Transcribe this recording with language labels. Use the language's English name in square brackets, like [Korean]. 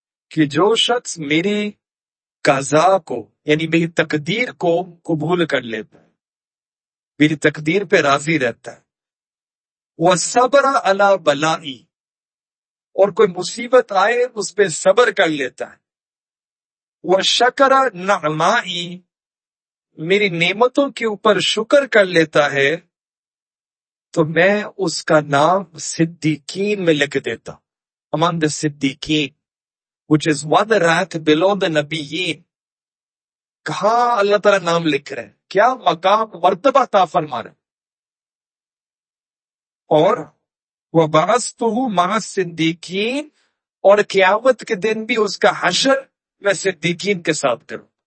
[Urdu] کہ جو شخص میری قضاء کو یعنی میری تقدیر کو قبول کر لیتا ہے, میری تقدیر پہ راضی رہتا ہے, [Arabic] وصبر علی بلائی [Urdu] اور کوئی مصیبت آئے اس پہ صبر کر لیتا ہے, [Arabic] وشکر نعمائی [Urdu] میری نعمتوں کے اوپر شکر کر لیتا ہے, تو میں اس کا نام صدیقین میں لکھ دیتا ہوں. [English] Among the صدیقین which is one rank below the نبیین. [Urdu] کہاں اللہ تعالی نام لکھ رہے ہیں, کیا مقام مرتبہ عطا فرما رہے ہیں. اور [Arabic] وبعثتہ مع الصدیقین [Urdu] اور قیامت کے دن بھی اس کا حشر میں صدیقین کے ساتھ کروں.